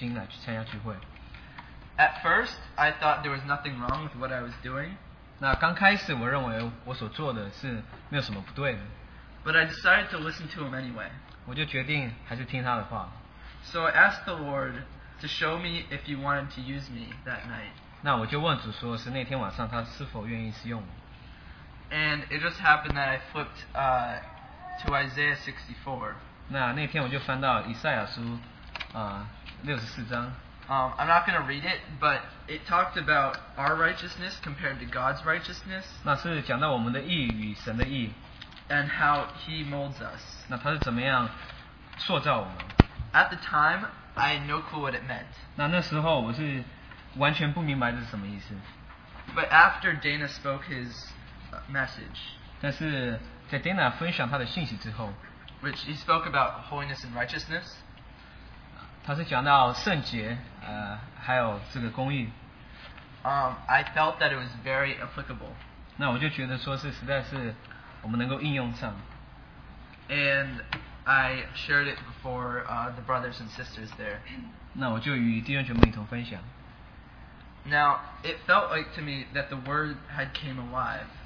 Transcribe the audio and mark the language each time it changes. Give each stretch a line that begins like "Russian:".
Chinese: 声音有点吵杂，那有个弟兄就勉励我们说，我们应当祷告，来预备我们的心，来去参加聚会。
English: At first, I thought there was nothing wrong with what I was doing.
Chinese: 那刚开始我认为我所做的是没有什么不对的。
English: But I decided to listen to him anyway.
Chinese: 我就决定还是听他的话。
English: So I asked the Lord to show me if he wanted to use me that night.
Chinese: 那我就问主说，是那天晚上他是否愿意使用我。
English: And it just happened that I flipped to Isaiah 64.
Chinese: 那天我就翻到以赛亚书64章。
English: I'm not going to read it, but it talked about our righteousness compared to God's righteousness.
Chinese: 那是讲到我们的义与神的义。
English: And how He molds us.
Chinese: 那他是怎么样塑造我们。
English: At the time, I had no clue what it meant.
Chinese: 那时候我是完全不明白这是什么意思。
English: But after Dana spoke his message, which he spoke about holiness and righteousness,
Chinese: 他是讲到圣洁，还有这个公义。
English: I felt that it was very applicable.
Chinese: 那我就觉得说是实在是我们能够应用上。
English: And I shared it before the brothers and sisters there.
Chinese: 那我就与弟兄姐妹一同分享。
English: Now it felt like to me that the word had came alive.